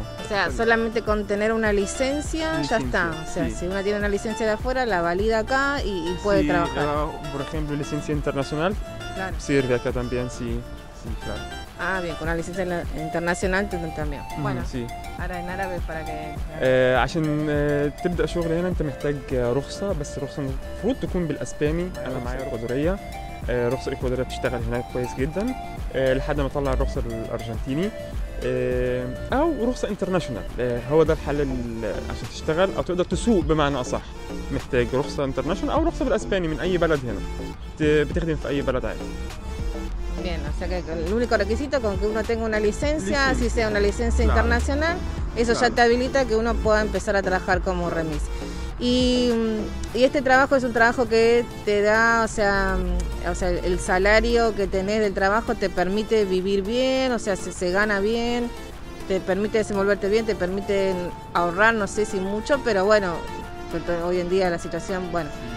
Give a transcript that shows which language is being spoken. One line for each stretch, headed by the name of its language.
Spanish: O sea, solamente con tener una licencia ya está. O sea, sí. si una tiene una licencia de afuera, la valida acá y puede sí, trabajar. Por ejemplo, licencia internacional claro. sirve acá también, sí. Sí, claro. Ah, bien, con una licencia internacional también. Bueno, sí. ahora en árabe para que...
Arabic: عشان تبدأ شغل هنا انت محتاج رخصة بس رخصة المفروض تكون بالأسباني أنا معايا القدرية رخصة الإكوادورية بتشتغل هناك كويس جدا لحد ما طلع الرخصة الأرجنتيني أو رخصة انترناشونال هو ده الحل عشان تشتغل أو تقدر تسوق بمعنى أصح محتاج رخصة انترناشونال أو رخصة بالأسباني من أي بلد هنا بتخدم في أي بلد عادي
Spanish: Bien, o sea que el único requisito con que uno tenga una licencia, así sea una licencia internacional, eso ya te habilita que uno pueda empezar a trabajar como remis. Y este trabajo es un trabajo que te da, o sea, el salario que tenés del trabajo te permite vivir bien, o sea, se gana bien, te permite desenvolverte bien, te permite ahorrar, no sé si mucho, pero bueno, hoy en día la situación, bueno.